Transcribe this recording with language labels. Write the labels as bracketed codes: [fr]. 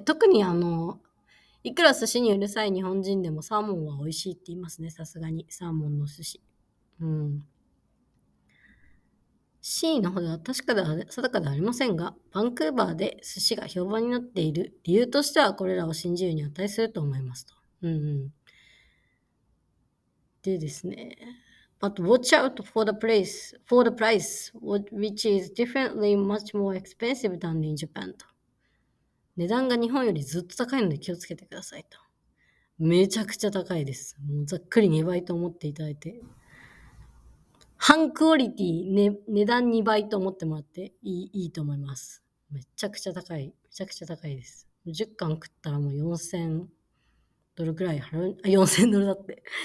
[ja] 特にいくら寿司にうるさい日本人でもサーモンは美味しいって言いますね。さすがに。サーモンの寿司。真意のほどは確かでは、定かではありませんが、バンクーバーで寿司が評判になっている理由としてはこれらを信じるに値すると思いますと。でですね。 [en] But watch out for the price, which is differently much more expensive than in Japan と。 [ja] 値段が日本よりずっと高いので気をつけてくださいと。めちゃくちゃ高いです。もうざっくり2倍と思っていただいて。半クオリティ、ね、値段2倍と思ってもらっていい、いいと思います。めちゃくちゃ高い。めちゃくちゃ高いです。10貫食ったらもう4000ドルくらい払う。あ、4000ドルだって。